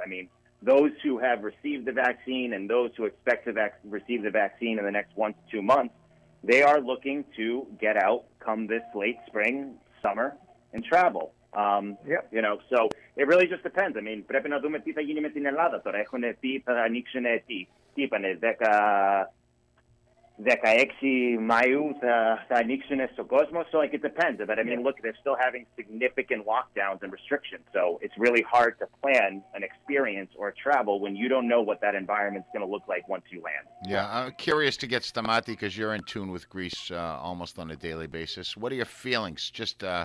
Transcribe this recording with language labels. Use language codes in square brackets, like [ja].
[en] I mean, those who have received the vaccine and those who expect to receive the vaccine in the next 1 to 2 months, they are looking to get out come this late spring, summer, and travel. You know, so it really just depends. I mean, [el] πρέπει να δούμε τι θα γίνει με την Ελλάδα. Τώρα έχουν πει, θα ανοίξουν, τι είπανε, 16 Μαΐου θα ανοίξουν στον κόσμο. [en] So like, it depends. But I mean, look, they're still having significant lockdowns and restrictions. So it's really hard to plan an experience or travel when you don't know what that environment's going to look like once you land. Yeah, I'm curious to get Stamati, because you're in tune with Greece almost on a daily basis. What are your feelings? Just...